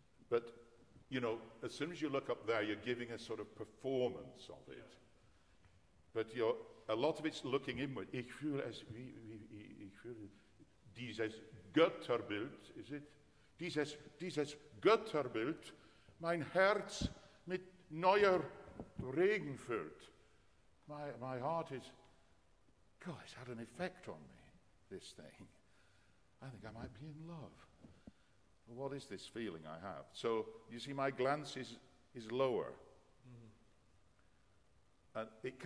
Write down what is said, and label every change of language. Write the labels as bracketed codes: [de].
[en] But, you know, as soon as you look up there, you're giving a sort of performance of it. But a lot of it's looking inward. [de] Ich fühle es, wie ich fühle dieses Götterbild, [en] is it? [de] Dieses Götterbild, mein Herz mit neuer Regen füllt. [en] My heart is, God, it's had an effect on me, this thing. I think I might be in love. Well, what is this feeling I have? So, you see, my glance is lower. Mm-hmm.